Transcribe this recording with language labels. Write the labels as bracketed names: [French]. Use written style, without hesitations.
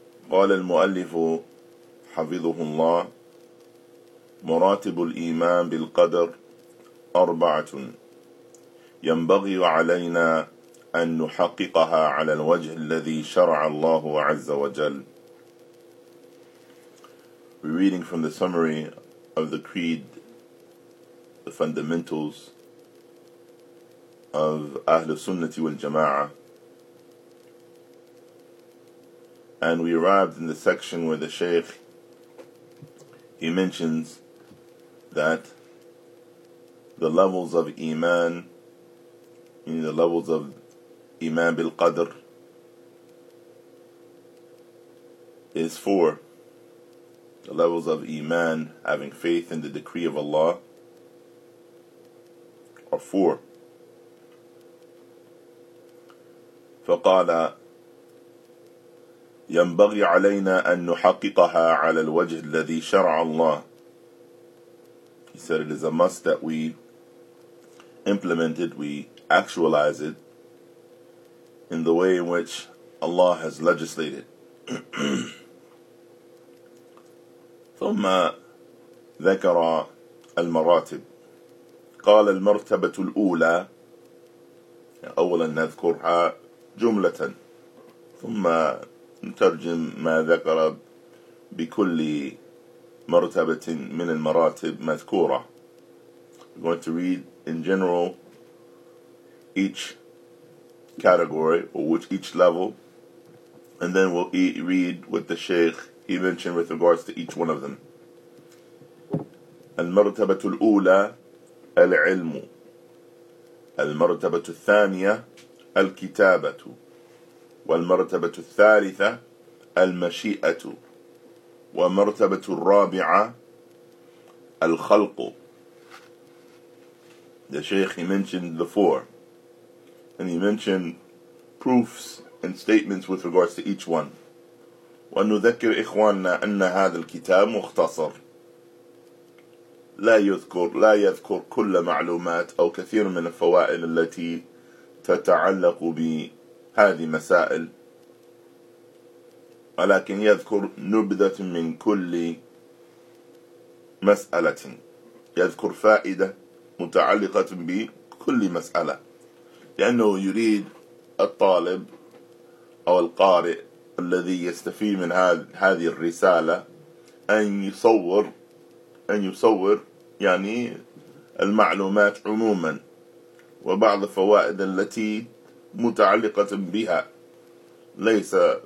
[Arabic] قال المؤلف حفظه الله: مراتب الإيمان بالقدر أربعة ينبغي علينا أن نحققها على الوجه الذي شرع الله عز وجل. [English] We're reading from the summary of the creed, the fundamentals of Ahl Sunnah wal Jama'ah. And we arrived in the section where the Shaykh, he mentions that the levels of Iman, in the levels of Iman bil Qadr, is four. The levels of Iman, having faith in the decree of Allah, are four. [Arabic] فقال ينبغي علينا أن نحققها على الوجه الذي شرع الله. [English] He said it is a must that we implement it, we actualize it in the way in which Allah has legislated. [Arabic] ثم ذكر المراتب. قال المرتبة الأولى، أولا نذكرها جملة ثم نترجم ما ذكر بكل مرتبة من المراتب مذكورة. [English] We're going to read in general each category, or each level, and then we'll read what the Shaykh he mentioned with regards to each one of them. [Arabic] المرتبة الأولى العلم، المرتبة الثانية الكتابة، والمرتبة الثالثة المشيئة، ومرتبة الرابعة الخلق. [English] The Shaykh he mentioned the four, and he mentioned proofs and statements with regards to each one. [Arabic] ونذكر إخواننا أن هذا الكتاب مختصر لا يذكر كل معلومات أو كثير من الفوائد التي تتعلق بهذه مسائل، ولكن يذكر نبذة من كل مسألة، يذكر فائدة متعلقة بكل مسألة، لأنه يريد الطالب أو القارئ الذي يستفيد من هذه الرسالة أن يصور يعني المعلومات عموما وبعض الفوائد التي متعلقة بها، ليس